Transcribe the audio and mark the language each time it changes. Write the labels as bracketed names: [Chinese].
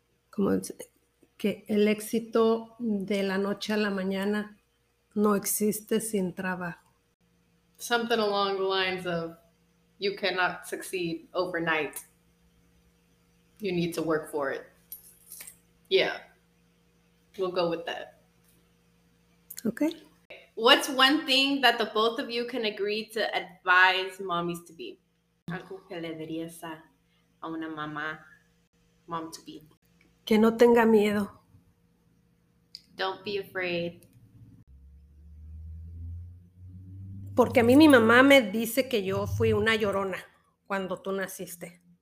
[Spanish] Como dice, que el éxito de la noche a la mañana no existe sin trabajo. [English] Something along the lines of, you cannot succeed overnight. You need to work for it. Yeah. We'll go with that. Okay. What's one thing that the both of you can agree to advise mommies to be? [Spanish] Algo que le dirías a una mamá, [English] mom to be. [Spanish] Que no tenga miedo. [English] Don't be afraid. [Spanish] Porque a mí mi mamá me dice que yo fui una llorona cuando tú naciste.